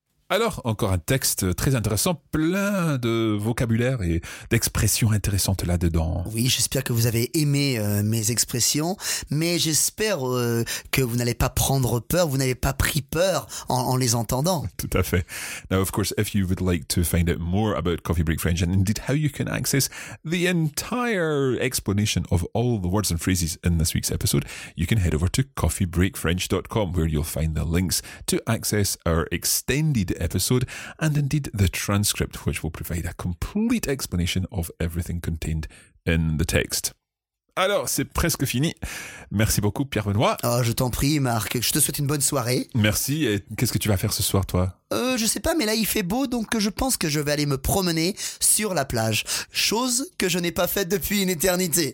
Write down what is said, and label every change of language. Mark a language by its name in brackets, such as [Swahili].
[French] Alors, encore un texte très intéressant, plein de vocabulaire et d'expressions intéressantes là-dedans. Oui, j'espère que vous avez aimé mes expressions, mais j'espère que vous n'allez pas prendre peur, vous n'avez pas pris peur en les entendant. Tout à fait. [English] Now, of course, if you would like to find out more about Coffee Break French and indeed how you can access the entire explanation of all the words and phrases in this week's episode, you can head over to coffeebreakfrench.com where you'll find the links to access our extended episode and indeed the transcript, which will provide a complete explanation of everything contained in the text. [French] Alors, c'est presque fini. Merci beaucoup, Pierre-Benoît. Oh, je t'en prie, Marc. Je te souhaite une bonne soirée. Merci. Et qu'est-ce que tu vas faire ce soir, toi ? Je sais pas, mais là, il fait beau, donc je pense que je vais aller me promener sur la plage. Chose que je n'ai pas faite depuis une éternité.